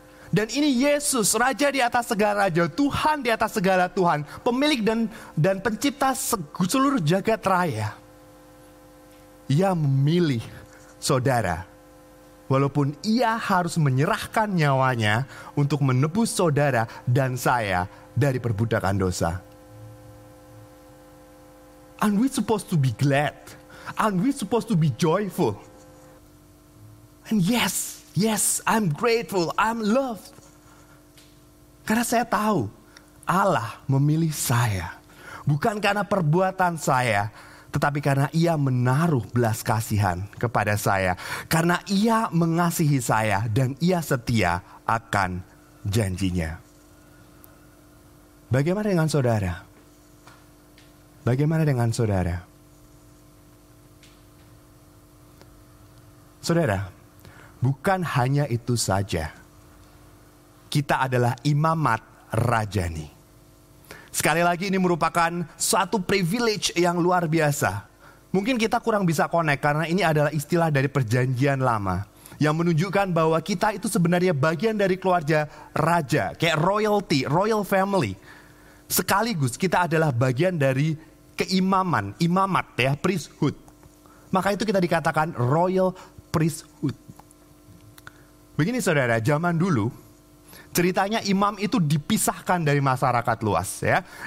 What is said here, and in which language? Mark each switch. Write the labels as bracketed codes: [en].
[id] Dan ini Yesus, Raja di atas segala Raja, Tuhan di atas segala Tuhan, pemilik dan pencipta seluruh jagat raya. Ia memilih saudara, walaupun ia harus menyerahkan nyawanya untuk menebus saudara dan saya dari perbudakan dosa. [en] Aren't we supposed to be glad? Aren't we supposed to be joyful? And yes, yes, I'm grateful, I'm loved. [id] Karena saya tahu Allah memilih saya. Bukan karena perbuatan saya, Tetapi karena ia menaruh belas kasihan kepada saya. Karena ia mengasihi saya dan ia setia akan janjinya. Bagaimana dengan saudara? Bagaimana dengan saudara? Saudara, bukan hanya itu saja. Kita adalah imamat rajani. Sekali lagi, ini merupakan suatu privilege yang luar biasa. Mungkin kita kurang bisa connect karena ini adalah istilah dari perjanjian lama. Yang menunjukkan bahwa kita itu sebenarnya bagian dari keluarga raja. [en] Kayak royalty, royal family. [id] Sekaligus kita adalah bagian dari keimaman, imamat ya, priesthood. Maka itu kita dikatakan royal priesthood. Begini saudara, zaman dulu ceritanya imam itu dipisahkan dari masyarakat luas ya.